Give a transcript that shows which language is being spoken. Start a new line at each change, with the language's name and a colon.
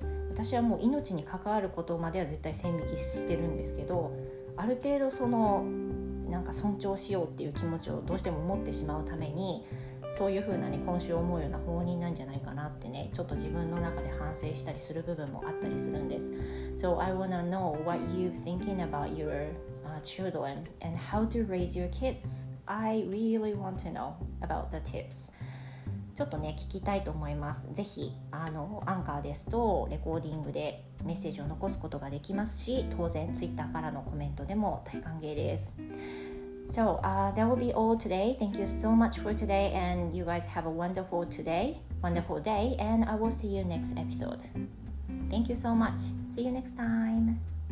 Japanese: 私はもう命に関わることまでは絶対線引きしてるんですけど、ある程度そのなんか尊重しようっていう気持ちをどうしても持ってしまうために、そういう風なね、今週思うような放任なんじゃないかなってね、ちょっと自分の中で反省したりする部分もあったりするんです。
English: So I wanna know what you're thinking about your children and how to raise your kids. I really want to know about the tips.
Japanese: ちょっとね、聞きたいと思います。ぜひアンカーですとレコーディングでメッセージを残すことができますし、当然ツイッターからのコメントでも大歓迎です。
English: So, that will be all today. Thank you so much for today, and you guys have a wonderful today, wonderful day, and I will see you next episode. Thank you so much. See you next time.